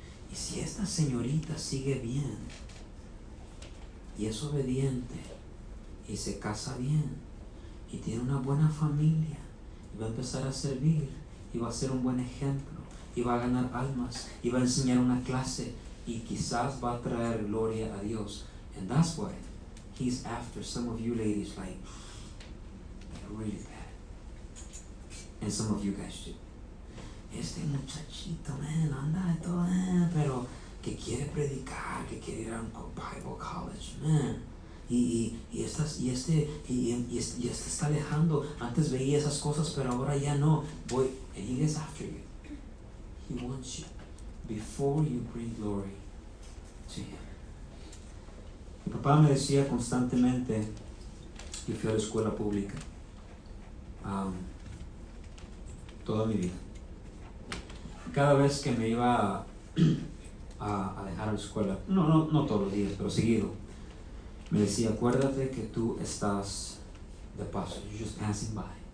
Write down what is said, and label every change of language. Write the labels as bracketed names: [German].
[Spanish] Y si esta señorita sigue bien y es obediente y se casa bien y tiene una buena familia y va a empezar a servir y va a ser un buen ejemplo y va a ganar almas, y va a enseñar una clase, y quizás va a traer gloria a Dios. [English] And that's why he's after some of you ladies, like, really bad. And some of you guys too. [Spanish] Este muchachito, man, anda de todo, man, pero que quiere predicar, que quiere ir a un Bible college, man. Y este está alejando. Antes veía esas cosas, pero ahora ya no. [English] Boy, and he is after you. He wants you before you bring glory to him. [Spanish] Mi papá me decía constantemente, yo fui a la escuela pública toda mi vida. Cada vez que me iba a dejar la escuela, no todos los días, pero seguido, me decía, acuérdate que tú estás de paso, [English] you're just passing by.